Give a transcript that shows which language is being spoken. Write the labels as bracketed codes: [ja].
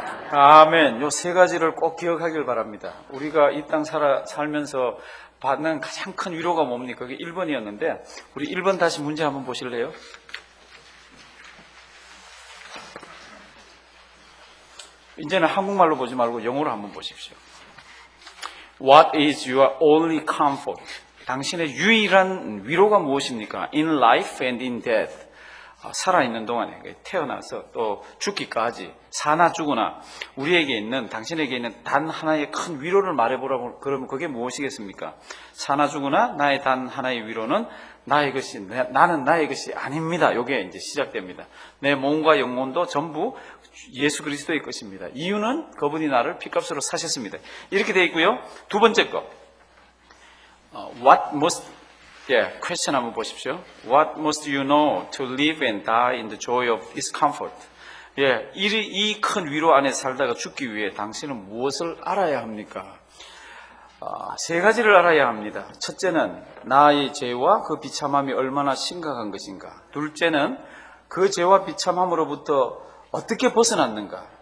[ko] 아멘. 요 세 가지를 꼭 기억하길 바랍니다. 우리가 이 땅 살면서 받는 가장 큰 위로가 뭡니까? 그게 1번이었는데 우리 1번 다시 문제 한번 보실래요? 이제는 한국말로 보지 말고 영어로 한번 보십시오. [en] What is your only comfort? [ko] 당신의 유일한 위로가 무엇입니까? [en] In life and in death. [ko] 살아있는 동안에 태어나서 또 죽기까지 사나 죽으나 우리에게 있는 당신에게 있는 단 하나의 큰 위로를 말해보라고 그러면 그게 무엇이겠습니까? 사나 죽으나 나의 단 하나의 위로는 나의 것이 나는 나의 것이 아닙니다. 이게 이제 시작됩니다. 내 몸과 영혼도 전부 예수 그리스도의 것입니다. 이유는 그분이 나를 피값으로 사셨습니다. 이렇게 되어 있고요. 두 번째 거. [en] What must 예, yeah, question [ko] 한번 보십시오. [en] What must you know to live and die in the joy of this comfort? [ko] 예, yeah, 이 큰 위로 안에 살다가 죽기 위해 당신은 무엇을 알아야 합니까? 세 가지를 알아야 합니다. 첫째는 나의 죄와 그 비참함이 얼마나 심각한 것인가. 둘째는 그 죄와 비참함으로부터 어떻게 벗어났는가.